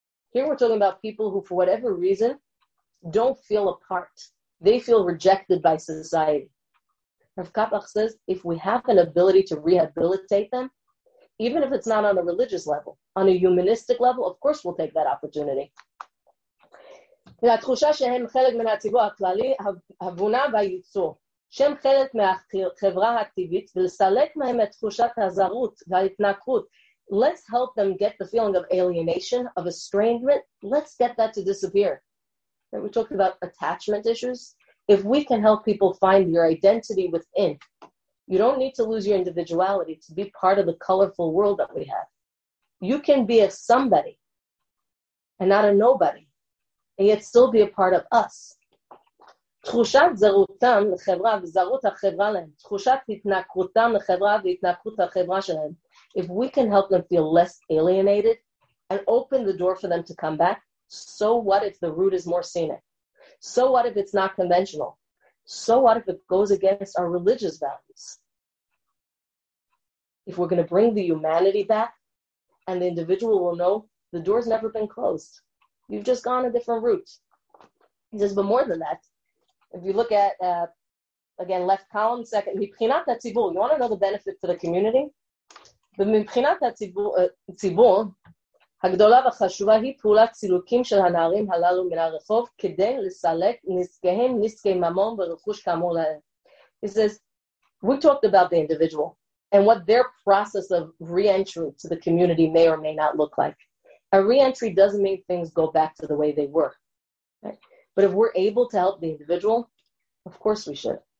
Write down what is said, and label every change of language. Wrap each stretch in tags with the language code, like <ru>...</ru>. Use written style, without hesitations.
<en>Here we're talking about people who, for whatever reason, don't feel a part. They feel rejected by society. Rav Kabach says, if we have an ability to rehabilitate them, even if it's not on a religious level, on a humanistic level, of course we'll take that opportunity.</en> <he>והתחושה שהם חלק מהציבור הכללי, הבונה והייצור, שהם חלק מהחברה הטבעית, ולסלק מהם את תחושת הזרות וההתנקרות.</he> <en>Let's help them get the feeling of alienation, of estrangement. Let's get that to disappear. We talked about attachment issues. If we can help people find your identity within, you don't need to lose your individuality to be part of the colorful world that we have. You can be a somebody and not a nobody, and yet still be a part of us.</en> <he>תחושת זרותם לחברה וזרות החברה להם, תחושת התנקרותם לחברה והתנקרות החברה שלהם.</he> <en>If we can help them feel less alienated and open the door for them to come back, so what if the route is more scenic? So what if it's not conventional? So what if it goes against our religious values? If we're going to bring the humanity back and the individual will know the door's never been closed. You've just gone a different route. He says, but more than that, if you look at, again, left column, second,</en> <he>mibchinat ha'tzibur,</he> <en>you want to know the benefit to the community? But</en> <he>mibchinat ha'tzibur, הגדולה והחשובה היא פעולת צילוקים של הנערים הללו מן הרחוב כדי לסלק נזקיהם, נזקי ממון ורכוש כאמור להם.</he> <en>He says, we talked about the individual and what their process of re-entry to the community may or may not look like. A re-entry doesn't mean things go back to the way they were. Right? But if we're able to help the individual, of course we should.</en>